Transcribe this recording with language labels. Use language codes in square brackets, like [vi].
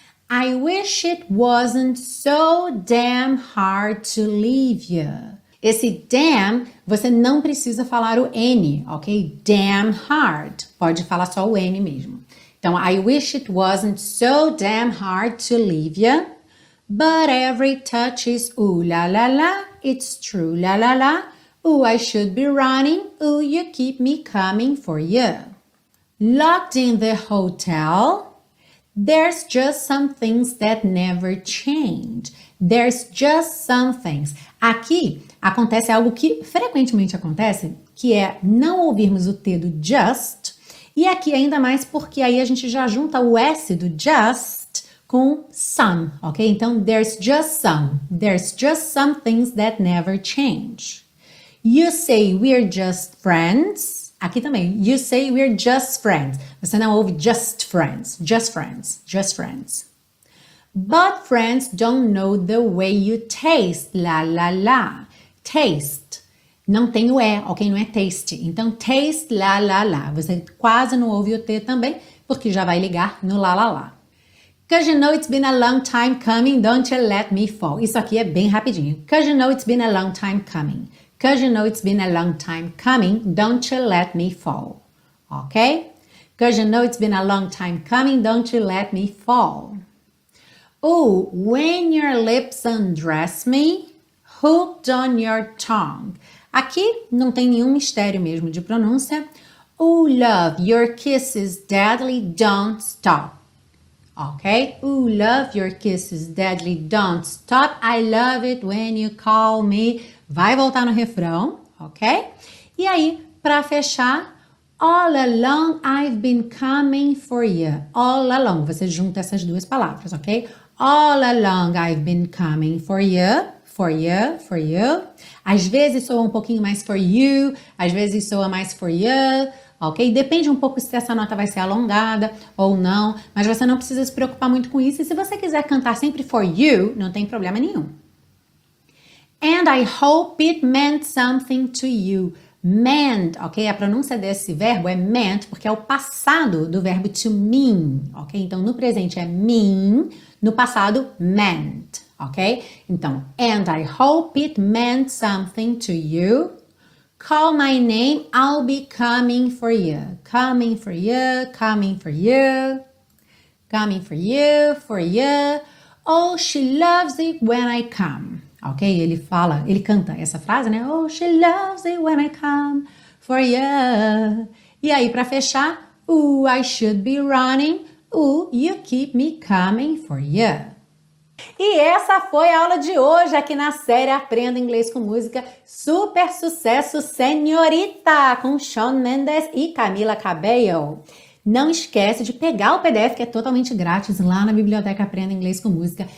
[en] I wish it wasn't so damn hard to leave you. [pt] Esse damn, você não precisa falar o N, ok? Damn hard, pode falar só o N mesmo. Então, [en] I wish it wasn't so damn hard to leave ya, but every touch is ooh la la la, it's true la la la, ooh I should be running, ooh you keep me coming for ya. Locked in the hotel, there's just some things that never change, there's just some things. [pt] Aqui acontece algo que frequentemente acontece, que é não ouvirmos o T do just. E aqui ainda mais porque aí a gente já junta o S do just com some, ok? Então, [en] there's just some things that never change. You say we're just friends, [pt] aqui também, [en] you say we're just friends. [pt] Você não ouve [en] just friends, just friends, just friends. But friends don't know the way you taste, la la la, taste. [pt] Não tem o E, ok? Não é taste. Então, taste, la, la, la. Você quase não ouve o T também, porque já vai ligar no la, la, la. [en] Cause you know it's been a long time coming, don't you let me fall. [pt] Isso aqui é bem rapidinho. [en] Cause you know it's been a long time coming. Cause you know it's been a long time coming, don't you let me fall. Ok? Cause you know it's been a long time coming, don't you let me fall. Oh, when your lips undress me, hooked on your tongue. [pt] Aqui não tem nenhum mistério mesmo de pronúncia. [en] Oh, love, your kisses deadly don't stop. Okay? Oh, love, your kisses deadly don't stop. I love it when you call me. [pt] Vai voltar no refrão, ok? E aí, pra fechar, [en] all along I've been coming for you. [pt] All along, você junta essas duas palavras, ok? [en] All along I've been coming for you. For you, for you. [pt] Às vezes soa um pouquinho mais for you, às vezes soa mais for you, ok? Depende um pouco se essa nota vai ser alongada ou não, mas você não precisa se preocupar muito com isso. E se você quiser cantar sempre for you, não tem problema nenhum. [en] And I hope it meant something to you. Meant, ok? [pt] A pronúncia desse verbo é meant, porque é o passado do verbo to mean, ok? Então, no presente é mean, no passado, meant. Ok? Então, [en] and I hope it meant something to you. Call my name, I'll be coming for you. Coming for you, coming for you. Coming for you, for you. Oh, she loves it when I come. Ok? [pt] Ele fala, ele canta essa frase, né? [en] Oh, she loves it when I come for you. [pt] E aí, pra fechar, [en] ooh, I should be running. Ooh, you keep me coming for you. [pt] E essa foi a aula de hoje aqui na série Aprenda Inglês com Música, super sucesso, Senhorita, com Shawn Mendes e Camila Cabello. Não esquece de pegar o PDF, que é totalmente grátis, lá na Biblioteca Aprenda Inglês com Música.